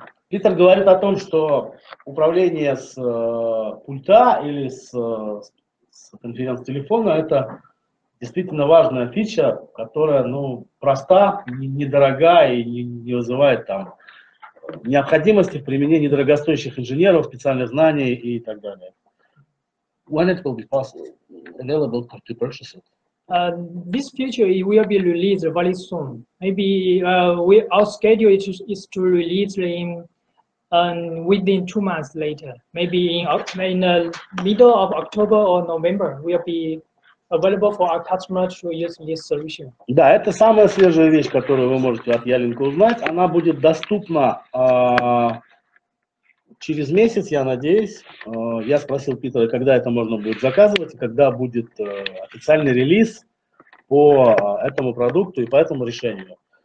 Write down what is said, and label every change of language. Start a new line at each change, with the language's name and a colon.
Russian: Питер говорит о том, что управление с пульта или с конференц-телефона – это действительно важная фича, которая, ну, проста, недорога и не вызывает там необходимости в применении дорогостоящих инженеров, специальных знаний и так далее.
English: When it will be possible, available to purchase it? This feature it will be released very soon. Maybe our schedule is to release in within 2 months later, maybe in the middle of October or November, will be available for our customers to use this solution.
Russian: Да, это самая свежая вещь, которую вы можете от Yearlink узнать. Она будет доступна через месяц, я надеюсь. Я спросил Питера, когда это можно будет заказывать, и когда будет официальный релиз по этому продукту и по этому решению.